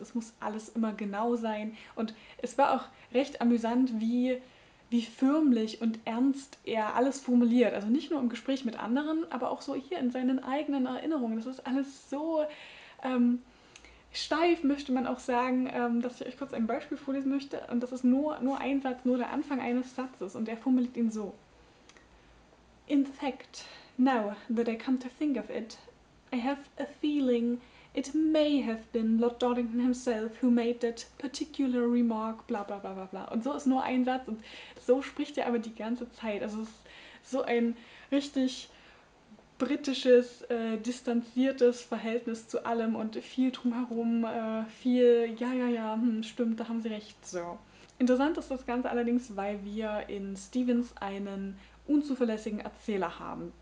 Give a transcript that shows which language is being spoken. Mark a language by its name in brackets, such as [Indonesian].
[German] Es muss alles immer genau sein. Und es war auch recht amüsant, wie förmlich und ernst er alles formuliert. Also nicht nur im Gespräch mit anderen, aber auch so hier in seinen eigenen Erinnerungen. Das ist alles so steif, möchte man auch sagen, dass ich euch kurz ein Beispiel vorlesen möchte. Und das ist nur ein Satz, nur der Anfang eines Satzes. Und er formuliert ihn so. [English] In fact, now that I come to think of it, I have a feeling it may have been Lord Doddington himself who made that particular remark, bla bla bla bla bla. [German] Und so ist nur ein Satz und so spricht er aber die ganze Zeit. Also es ist so ein richtig britisches, distanziertes Verhältnis zu allem und viel drumherum, viel ja, stimmt, da haben sie recht, so. Interessant ist das Ganze allerdings, weil wir in Stevens einen unzuverlässigen Erzähler haben.